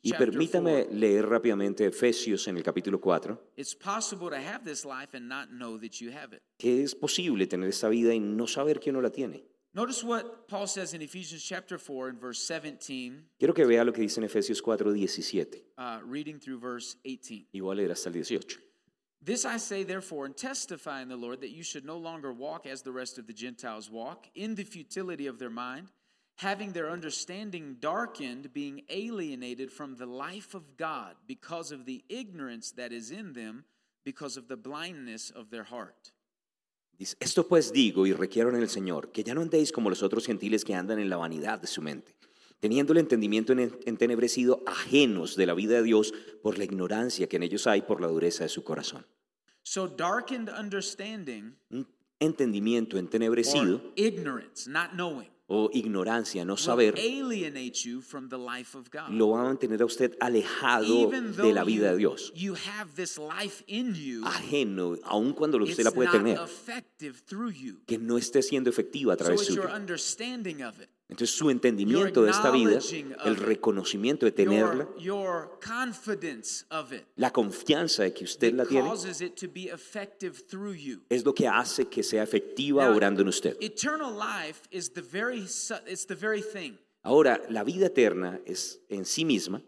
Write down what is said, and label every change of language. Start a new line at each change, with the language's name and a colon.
Spanish: y permítame leer rápidamente Efesios en el capítulo 4.
English: It's possible to have this life and not know that you have it.
Spanish: ¿Qué es posible tener esta vida y no saber que uno la tiene?
English: Notice what Paul says in Ephesians chapter 4 in verse 17.
Spanish: Quiero que vea lo que dice en Efesios 4:17.
English: Reading through verse 18.
Spanish: Y voy a leer hasta el 18.
English: This I say therefore and testify in the Lord that you should no longer walk as the rest of the Gentiles walk, in the futility of their mind, having their understanding darkened, being alienated from the life of God because of the ignorance that is in them, because of the blindness of their heart.
Spanish: Dice, esto pues digo y requiero en el Señor, que ya no andéis como los otros gentiles que andan en la vanidad de su mente, teniendo el entendimiento entenebrecido, ajenos de la vida de Dios por la ignorancia que en ellos hay por la dureza de su corazón.
English: So darkened understanding,
Spanish: un entendimiento entenebrecido,
English: or ignorance, not knowing,
Spanish: o ignorancia, no saber,
English: alienate you from the life of God.
Spanish: Lo va a mantener a usted alejado de la vida de Dios.
English: You have this life in you,
Spanish: ajeno, aun cuando usted la puede tener,
English: you.
Spanish: Que no esté siendo efectiva a través
English: so
Spanish: suyo.
English: Your understanding of it.
Spanish: Entonces su entendimiento de esta vida, el reconocimiento de tenerla,
English: your confidence of it,
Spanish: la confianza de que usted la tiene,
English: causes it to be effective through you.
Spanish: Es lo que hace que sea efectiva orando en usted.
English: Eternal life is the very, it's the very thing.
Spanish: Ahora, la vida eterna es en sí misma,